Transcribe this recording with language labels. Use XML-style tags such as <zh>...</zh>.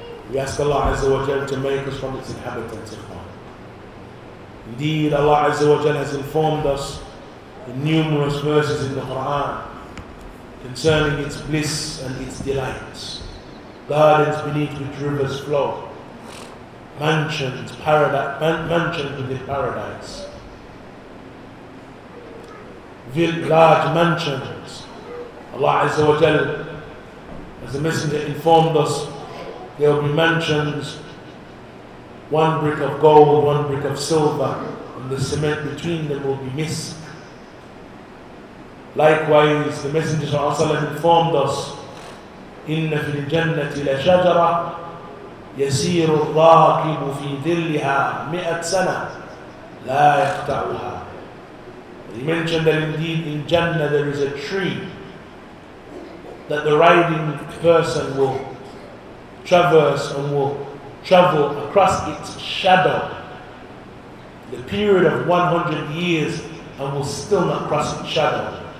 <en>We ask Allah Azza wa Jal to make us from its inhabitants. Indeed, Allah Azza wa Jal has informed us in numerous verses in the Quran concerning its bliss and its delights, gardens beneath which rivers flow, mansions within paradise, large mansions. Allah Azza wa Jal, as the Messenger informed us, there will be mansions, one brick of gold, one brick of silver, and the cement between them will be misk. Likewise, the Messenger ﷺ informed us,</en> <ar>إِنَّ فِي الْجَنَّةِ لَشَجَرَةً يَسِيرُ الرَّاكِبُ فِي ذِلِّهَا مِئَةَ سَنَةً لَا يَقْطَعُهَا.</ar> <en>He mentioned that indeed in Jannah there is a tree that the riding person will traverse and will travel across its shadow the period of 100 years and will still not cross its shadow.</en>